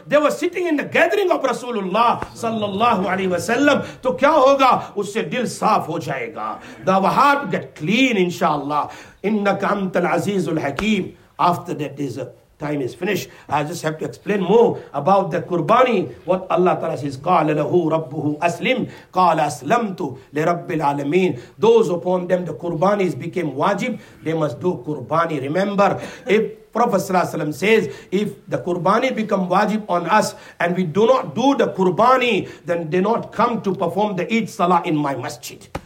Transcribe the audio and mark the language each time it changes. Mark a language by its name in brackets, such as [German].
[English] They were sitting in the gathering of Rasulullah sallallahu alaihi wasallam. [Urdu] To kya hoga? Usse dil saaf ho jayega, [English] the heart get clean inshallah. [Arabic] Innaka antal azizul hakim. [English] After that is a time is finished. I just have to explain more about the qurbani. What Allah Ta'ala says, [Arabic] قَالَ لَهُ رَبُّهُ أَسْلِمْ قَالَ أَسْلَمْتُ لِرَبِّ الْعَالَمِينَ. [English] Those upon them the qurbanis became wajib, they must do qurbani. Remember, if Prophet Sallallahu Alaihi Wasallam says, if the qurbani become wajib on us and we do not do the qurbani, then they not come to perform the Eid Salah in my masjid.